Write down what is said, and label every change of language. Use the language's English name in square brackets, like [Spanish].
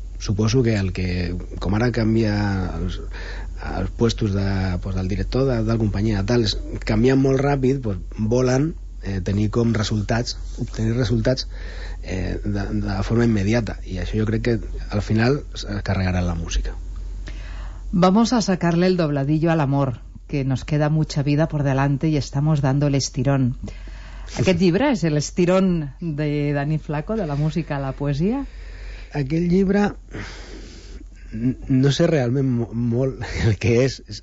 [Catalan] Suposo que com ara canvia els puestos del director de la companyia, tal, canvien molt ràpid, pues, volen tenir com resultats, obtenir resultats de forma immediata. I això jo crec que al final es carregarà la música. [Spanish] Vamos a sacarle el dobladillo al amor, que nos queda mucha vida por delante y estamos dando el estirón. [Catalan] Aquest llibre és l'estirón de Dani Flaco, de la música a la poesia? Aquell llibre no sé realment molt el que és.